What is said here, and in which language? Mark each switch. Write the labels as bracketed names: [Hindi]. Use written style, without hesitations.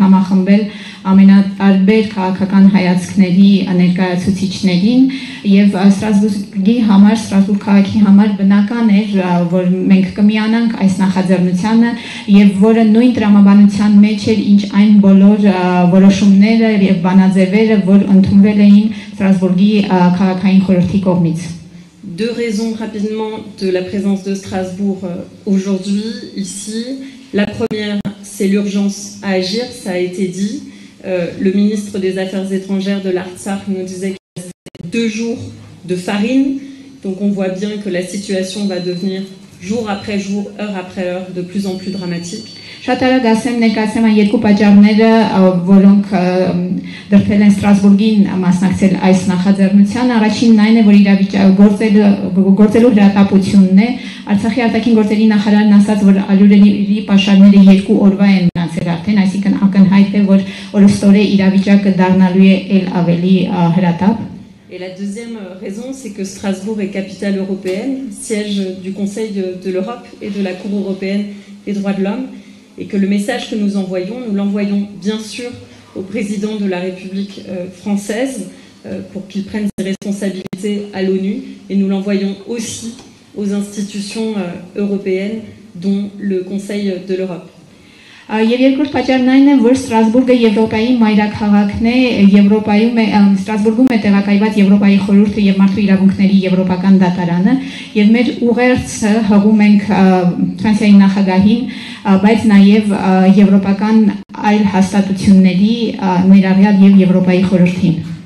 [Armenian] Ամենատարբեր քաղաքական հայացքների ներկայացուցիչներին և Ստրասբուրգի համար, Ստրասբուրգ քաղաքի համար բնական էր, որ մենք կմիանանք այս նախաձեռնությանը և որը նույն տրամաբանության մեջ էր, ինչ այն բոլոր որոշումները և բանաձևերը, որ ընդունվել էին Ստրասբուրգի քաղաքային խորհրդի կողմից. [French] Deux raisons rapidement de la présence de Strasbourg aujourd'hui ici. La première, c'est l'urgence à agir, ça a été dit. Le ministre des Affaires étrangères de l'Artsakh nous disait qu'il restait deux jours de farine. Donc on voit bien que la situation va devenir jour après jour, heure après heure, de plus en plus dramatique. [Armenian] Շատերով ասեմ, ներկայացեմ այն երկու պատճառները, որոնք դրվել են Ստրասբուրգին մասնակցել այս նախաձեռնության։ Առաջինն այն է, որ գործելու հրատապությունն է։ Արցախի արտաքին գործերի նախարարն ասաց, որ Ալյուրենի պաշարները երկու օրվա են մնացել արդեն, այսինքն ակնհայտ է, որ օրստորե իրավիճակը դառնալու է էլ ավելի հրատապ։ [French] Et la deuxième raison, c'est que Strasbourg est capitale européenne, siège du Conseil de l'Europe et de la Cour européenne des droits de l'homme. Et que le message que nous l'envoyons bien sûr au président de la République française pour qu'il prenne ses responsabilités à l'ONU, et nous l'envoyons aussi aux institutions européennes, dont le Conseil de l'Europe. [Armenian] Երկրորդ պատճառն այն է, որ Ստրասբուրգը Եվրոպայի մայրաքաղաքն է, Եվրոպայում է, Ստրասբուրգում է տեղակայված Եվրոպայի խորհուրդը և մարդու իրավունքների Եվրոպական դատարանը, և մեր ուղերձը հղում ենք Ֆրանսիայի նախագահին, բայց նաև Եվրոպական այլ հաստատությունների ներառյալ և Եվրոպայի խորհրդին.